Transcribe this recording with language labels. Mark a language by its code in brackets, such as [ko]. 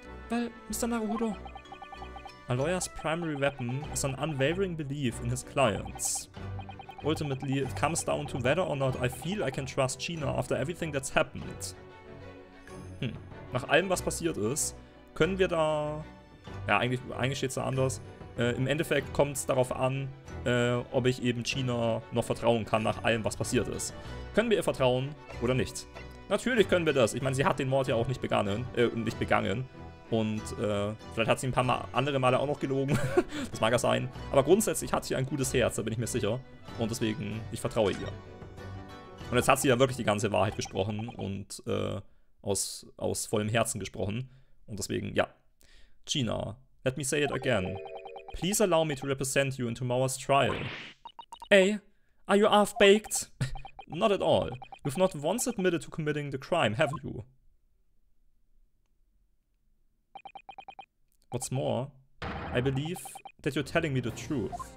[en] Well, Mr. Naruhodo. A lawyer's primary weapon is an unwavering belief in his clients. Ultimately, it comes down to whether or not I feel I can trust China after everything that's happened. [de] Nach allem, was passiert ist, können wir da... Ja, eigentlich steht's da anders. Im Endeffekt kommt's darauf an, ob ich eben China noch vertrauen kann nach allem, was passiert ist. Können wir ihr vertrauen oder nicht? Natürlich können wir das. Ich meine, sie hat den Mord ja auch nicht begangen. Und vielleicht hat sie ein paar andere Male auch noch gelogen. Das mag ja sein. Aber grundsätzlich hat sie ein gutes Herz, da bin ich mir sicher. Und deswegen, ich vertraue ihr. Und jetzt hat sie ja wirklich die ganze Wahrheit gesprochen und aus vollem Herzen gesprochen. Und deswegen, ja. [en] China, let me say it again. Please allow me to represent you in tomorrow's trial. Hey, are you half-baked? Not at all. You've not once admitted to committing the crime, have you? What's more, I believe that you're telling me the truth.